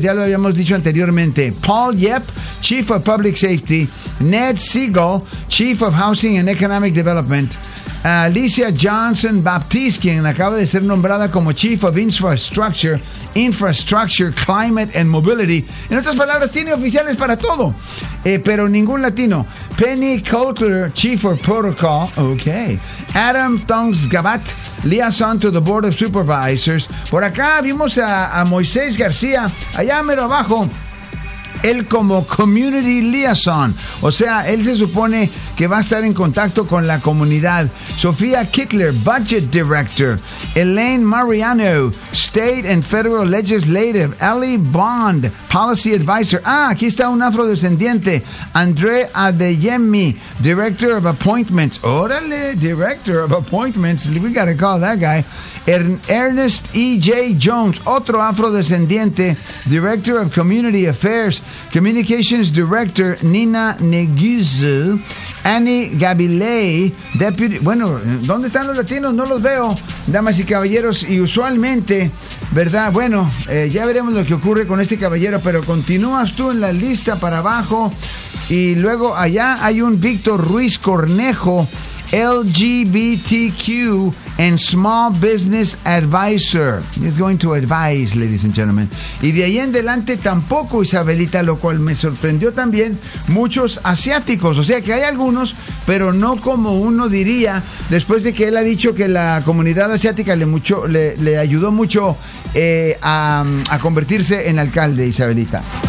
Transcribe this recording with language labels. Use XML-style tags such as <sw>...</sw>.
<es>Ya lo habíamos dicho anteriormente: Paul Yep,</es> <en>Chief of Public Safety;</en> <es>Ned Siegel,</es> <en>Chief of Housing and Economic Development;</en> <es>Alicia Johnson Baptiste, quien acaba de ser nombrada como</es> <en>Chief of Infrastructure, Climate and Mobility.</en> <es>En otras palabras, tiene oficiales para todo, pero ningún latino.</es> <en>Penny Coulter, Chief of Protocol. Okay. Adam Tongs Gabat, Liaison to the Board of Supervisors.</en> <es>Por acá vimos a Moisés García, allá mero abajo. Él como</es> <en>Community Liaison,</en> <es>o sea, él se supone que va a estar en contacto con la comunidad.</es> <en>Sofía Kickler, Budget Director. Elaine Mariano, State and Federal Legislative. Ali Bond, Policy Advisor.</en> <es>Ah, aquí está un afrodescendiente.</es> <en>André Adeyemi, Director of Appointments.</en> <es>Órale,</es> <en>Director of Appointments. We gotta call that guy.</en> <es>Ernest E.J. Jones, otro afrodescendiente.</es> <en>Director of Community Affairs. Communications Director Nina Neguzu. Annie Gabilei, Deputy.</en> <es>Bueno, ¿dónde están los latinos? No los veo, damas y caballeros. Y usualmente, ¿verdad? Bueno, ya veremos lo que ocurre con este caballero, pero continúas tú en la lista para abajo. Y luego allá hay un Víctor Ruiz Cornejo,</es> <en>LGBTQ and Small Business Advisor. He's going to advise, ladies and gentlemen.</en> <es>Y de ahí en adelante tampoco, Isabelita, lo cual me sorprendió también, muchos asiáticos. O sea que hay algunos, pero no como uno diría, después de que él ha dicho que la comunidad asiática le ayudó mucho a convertirse en alcalde, Isabelita.</es>